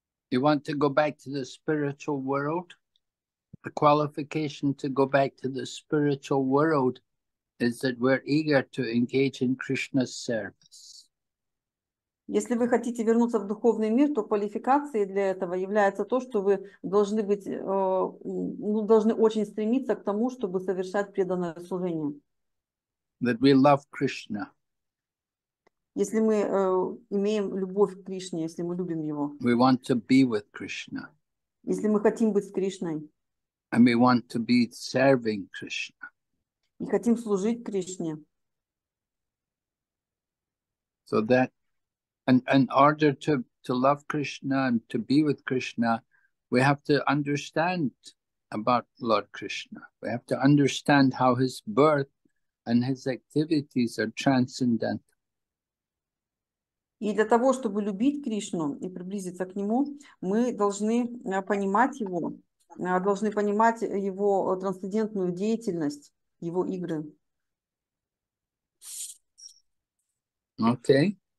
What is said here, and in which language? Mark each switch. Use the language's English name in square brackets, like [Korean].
[English] You want to go back to the spiritual world? The qualification to go back to the spiritual world is that we're eager to engage in Krishna's service. [Russian] Если вы хотите вернуться в духовный мир, то квалификацией для этого является то, что вы должны быть, должны очень стремиться к тому, чтобы совершать преданное служение. [English] That we love Krishna. [Russian] Если мы имеем любовь к Кришне, если мы любим его. [English] We want to be with Krishna. [Russian] Если мы хотим быть с Кришной. [English] And we want to be serving Krishna. [Russian] И хотим служить Кришне. [English] So that in order to love Krishna and to be with Krishna, we have to understand about Lord Krishna. We have to understand how his birth and his activities are transcendental. [Russian] И для того, чтобы любить Кришну и приблизиться к Нему, мы должны понимать Его, должны понимать Его трансцендентную деятельность, Его игры. [English] Okay.